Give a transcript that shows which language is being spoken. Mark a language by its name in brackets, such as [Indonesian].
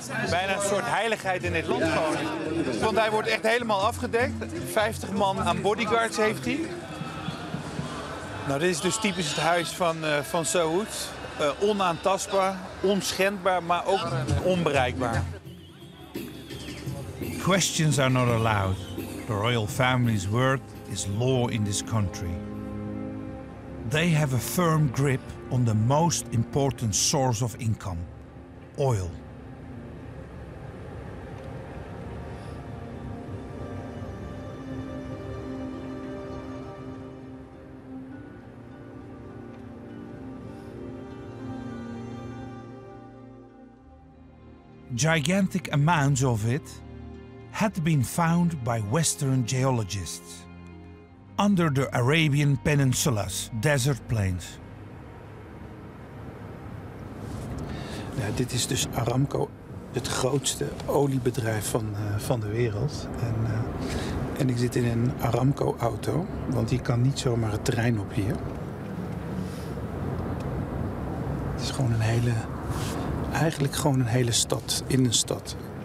[Dutch] Bijna een soort heiligheid in dit land gewoon. Want hij wordt echt helemaal afgedekt. 50 man aan bodyguards heeft hij. Nou, dit is dus typisch het huis van Saud. Onaantastbaar, onschendbaar, maar ook onbereikbaar. [English] Questions are not allowed. The royal family's word is law in this country. They have a firm grip on the most important source of income, oil. Gigantic amounts of it had been found by Western geologists under the Arabian Peninsula's desert plains. [Dutch] Ja, dit is dus Aramco, het grootste oliebedrijf van de wereld. En ik zit in een Aramco-auto, want die kan niet zomaar het terrein op hier. Het is gewoon een hele... Eigenlijk gewoon een hele stad in een stad.